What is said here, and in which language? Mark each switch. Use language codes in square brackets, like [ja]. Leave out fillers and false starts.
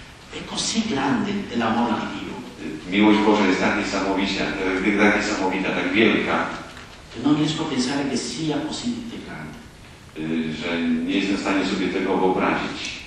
[it] È così grande l'amore di Dio. [pl] Miłość Boża jest tak niesamowita, tak wielka. [it] Che non riesco a pensare che sia così grande. [pl] Że nie jestem w stanie sobie tego wyobrazić.